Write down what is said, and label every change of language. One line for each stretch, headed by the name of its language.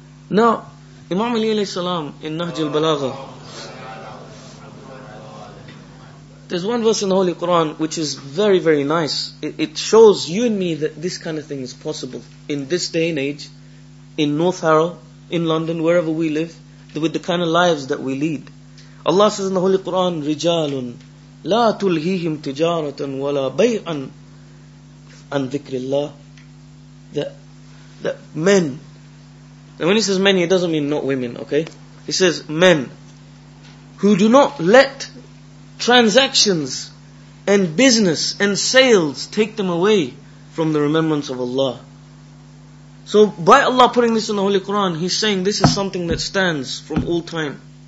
English: Now, Imam Ali alayhi salam in Nahj al-Balagha, there's one verse in the Holy Quran which is very, very nice. It shows you and me that this kind of thing is possible in this day and age, in North Harrow, in London, wherever we live, with the kind of lives that we lead. Allah says in the Holy Quran,
Arabic: رِجَالٌ لَا تُلْهِيهِمْ تِجَارَةً وَلَا بَيْعًا عَنْ ذِكْرِ اللَّهِ.
English: That men. And when he says men, he doesn't mean not women, okay? He says men who do not let transactions and business and sales take them away from the remembrance of Allah. So by Allah putting this in the Holy Quran, he's saying this is something that stands from all time.